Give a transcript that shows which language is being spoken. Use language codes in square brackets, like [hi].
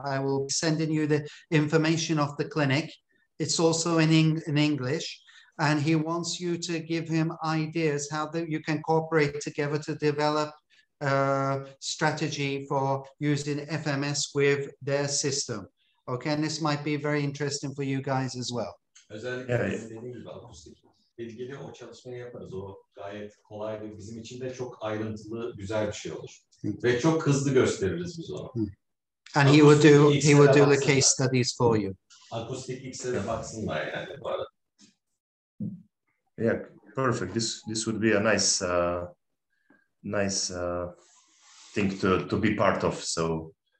[en] I will be sending you the information of the clinic. It's also in English. And he wants you to give him ideas how that you can cooperate together to develop strategy for using FMS with their system. Okay, and this might be very interesting for you guys as well. [tr] Özellikle dediğim gibi akustik ilgili o çalışmayı yaparız. O gayet kolay ve bizim için de çok ayrıntılı güzel bir şey olur. Ve çok hızlı gösteririz biz onu. [en] And he will do the case studies for you. [tr] Akustik X'e de baksınlar yani bu arada. [en] Yeah, perfect. This would be a nice thing to be part of, so